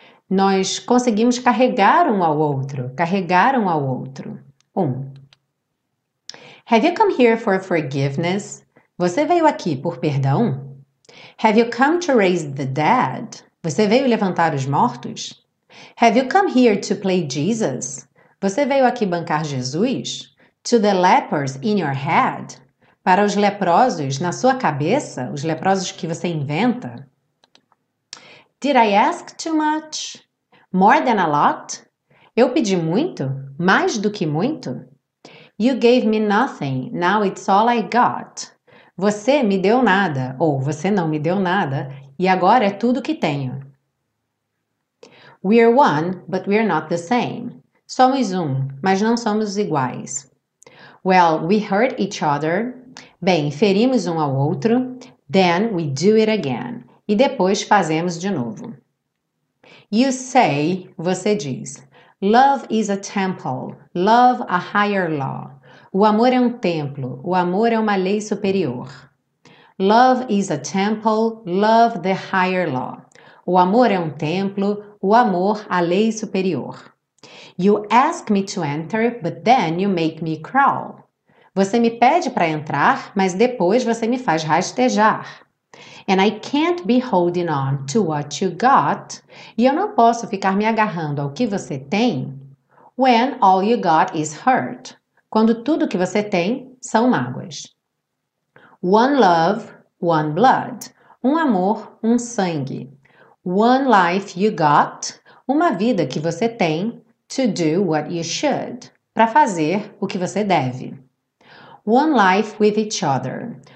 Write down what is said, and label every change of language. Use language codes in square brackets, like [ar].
[pt] Nós conseguimos carregar um ao outro, carregar um ao outro. Um. [en] Have you come here for forgiveness? [pt] Você veio aqui por perdão? [en] Have you come to raise the dead? [pt] Você veio levantar os mortos? [en] Have you come here to play Jesus? [pt] Você veio aqui bancar Jesus? [en] To the lepers in your head? [pt] Para os leprosos na sua cabeça, os leprosos que você inventa? [en] Did I ask too much? More than a lot? [pt] Eu pedi muito? Mais do que muito? [en] You gave me nothing, now it's all I got. [pt] Você me deu nada, ou você não me deu nada, e agora é tudo que tenho. [en] We're one, but we're not the same. [pt] Somos um, mas não somos iguais. [en] Well, we hurt each other. [pt] Bem, ferimos um ao outro. [en] Then we do it again. [pt] E depois fazemos de novo. [en] You say, [pt] você diz, [en] love is a temple, love a higher law. [pt] O amor é um templo, o amor é uma lei superior. [en] Love is a temple, love the higher law. [pt] O amor é um templo, o amor a lei superior. [en] You ask me to enter, but then you make me crawl. [pt] Você me pede para entrar, mas depois você me faz rastejar. [en] And I can't be holding on to what you got. [pt] E eu não posso ficar me agarrando ao que você tem. [en] When all you got is hurt. [pt] Quando tudo que você tem são mágoas. [en] One love, one blood. [pt] Um amor, um sangue. [en] One life you got. [pt] Uma vida que você tem. [en] To do what you should. [pt] Para fazer o que você deve. [en] One life with each other.